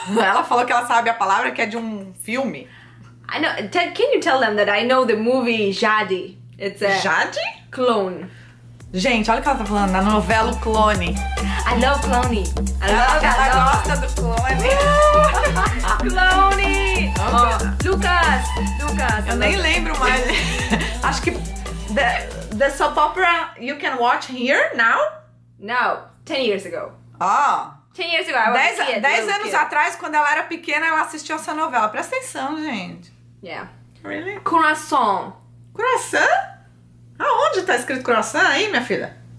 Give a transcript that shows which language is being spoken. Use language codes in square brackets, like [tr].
[pt] Ela falou que ela sabe a palavra que é de um filme. [en] I know. Ted, can you tell them that I know the movie Jade? It's a Jade? Clone. [pt] Gente, olha o que ela tá falando, a novela O Clone. [en] I love Clone. [pt] Ela gosta do Clone. [en] Clone! Oh, Lucas. [pt] Eu nem lembro mais. Acho que [en] the soap opera you can watch here now? No, 10 years ago. Ah. Oh. 10 years ago, I was 10, a kid. [pt] 10 anos atrás, quando ela era pequena, ela assistiu essa novela. Presta atenção, gente. [en] Yeah. Really? [pt] Coração. Coração? Aonde tá escrito coração aí, minha filha?